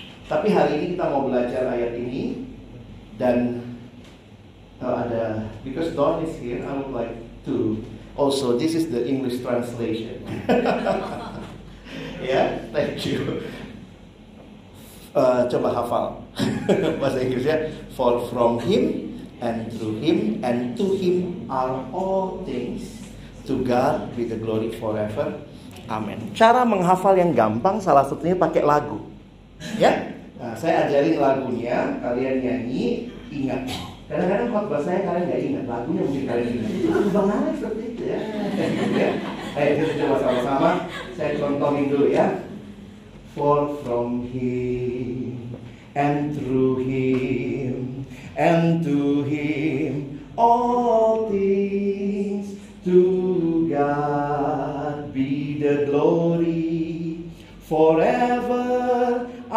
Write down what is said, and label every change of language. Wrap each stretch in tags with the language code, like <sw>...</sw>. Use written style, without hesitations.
<id>Tapi hari ini kita mau belajar ayat ini dan ada</id> <en>because Don is here, I would like to also this is the English translation. Yeah, thank you.</en> <id>Coba hafal bahasa Inggrisnya.</id> <en>For from him and through him and to him are all things. To God be the glory forever. Amen.</en> <id>Cara menghafal yang gampang salah satunya pakai lagu. Ya? Yeah? Nah, saya ajarin lagunya, kalian nyanyi, ingat. Kadang-kadang khotbah saya kalian nggak ingat, lagunya mungkin kalian ingat. Itu lagu Bang Alex seperti itu ya. Ayo kita coba sama-sama, saya contohin dulu ya.</id> <en>For from him, and through him, and to him, all things to God be the glory forever.</en>